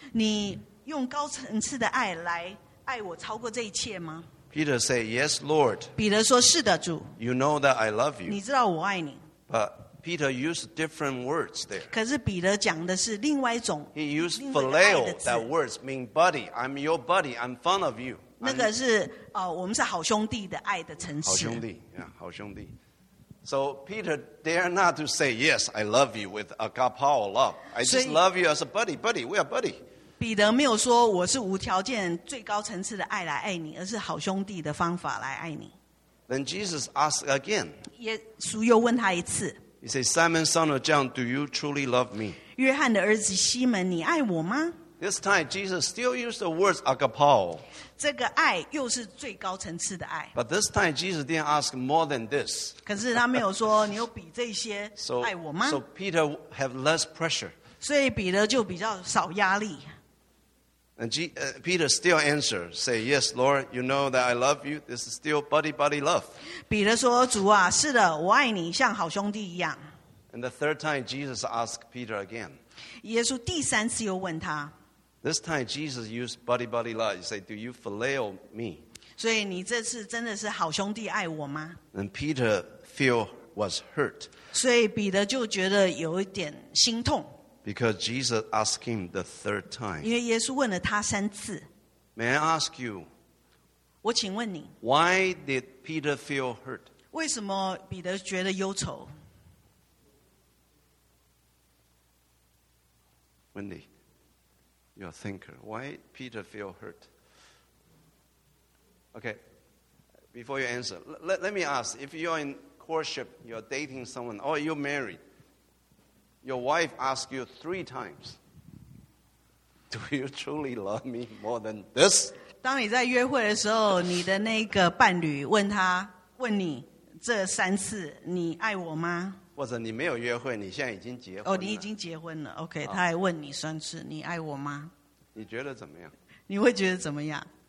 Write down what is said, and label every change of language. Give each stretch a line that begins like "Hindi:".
Chinese: 你用高层次的爱来爱我超过这一切吗？
English: Peter said, "Yes, Lord."
Chinese: 彼得说是的，主。
English: You know that I love you.
Chinese: 你知道我爱你。
English: But Peter used different words there.
Chinese: 可是彼得讲的是另外一种。
English: He used phileo. That words mean buddy. I'm your buddy. I'm fond of you.
Chinese: 那个是、我们是好兄弟的爱的层次。好兄弟 yeah, 好兄弟。
English: So Peter dare not to say, yes, I love you with agapao love. I just love you as a buddy, buddy, we are buddy.
Chinese: 彼得没有说我是无条件最高层次的爱来爱你，而是好兄弟的方法来爱你。
English: Then Jesus asked again.
Chinese: 耶稣又问他一次。
English: He said, Simon, son of John, do you truly love me?
Chinese: 约翰的儿子西门，你爱我吗？
English: This time, Jesus still used the words agapao.
Chinese: 这个爱又是最高层次的爱。
English: But this time, Jesus didn't ask more than this.
Chinese: 可是他没有说你有比这些爱我吗？
English: So Peter have less pressure.
Chinese: 所以彼得就比较少压力。
English: And Peter still answered, say, yes, Lord, you know that I love you. This is still buddy-buddy love.
Chinese: 彼得说，主啊，是的，我爱你，像好兄弟一样。
English: And the third time, Jesus asked Peter again.
Chinese: 耶稣第三次又问他。
English: This time Jesus used buddy buddy love. He said, "Do you phileo me?"
Chinese: 所以你这次真的是好兄弟爱我吗？
English: And Peter feel was hurt.
Chinese: 所以彼得就觉得有一点心痛。
English: Because Jesus asked him the third time.
Chinese: 因为耶稣问了他三次。
English: May I ask you?
Chinese: 我请问你。
English: Why did Peter feel hurt?
Chinese: 为什么彼得觉得忧愁？
English: Wendy. Your thinker, why Peter feel hurt? Okay, Before you answer, let me ask, if you're in courtship, you're dating someone, or you're married, your wife asks you three times, do you truly love me more than this?
Chinese: 当你在约会的时候，你的那个伴侣问他，问你这三次，你爱我吗？或者你没有约会，你现在已经结婚了。哦，你已经结婚了。 OK，他还问你三次，你爱我吗？你觉得怎么样？你会觉得怎么样？